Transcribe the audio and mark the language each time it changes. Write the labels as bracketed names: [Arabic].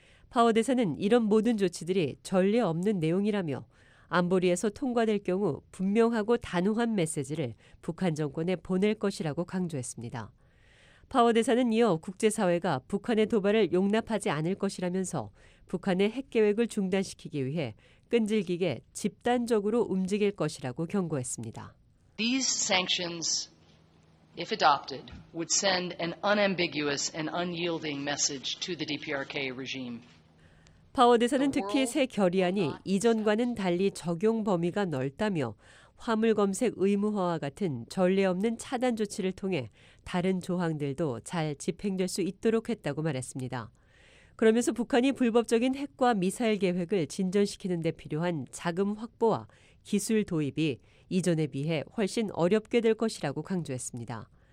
[Korean] 파워 대사는 이런 모든 조치들이 전례 없는 내용이라며 안보리에서 통과될 경우 분명하고 단호한 메시지를 북한 정권에 보낼 것이라고 강조했습니다. 파워 대사는 이어 국제사회가 북한의 도발을 용납하지 않을 것이라면서 북한의 핵 계획을 중단시키기 위해 끈질기게 집단적으로 움직일 것이라고 경고했습니다. [English] These sanctions, if adopted, would send an unambiguous and unyielding message to the DPRK regime. [Korean] 파워 대사는 특히 새 결의안이 이전과는 달리 적용 범위가 넓다며 화물 검색 의무화와 같은 전례 없는 차단 조치를 통해 다른 조항들도 잘 집행될 수 있도록 했다고 말했습니다. 그러면서 북한이 불법적인 핵과 미사일 계획을 진전시키는 데 필요한 자금 확보와 기술 도입이 이전에 비해 훨씬 어렵게 될 것이라고 강조했습니다.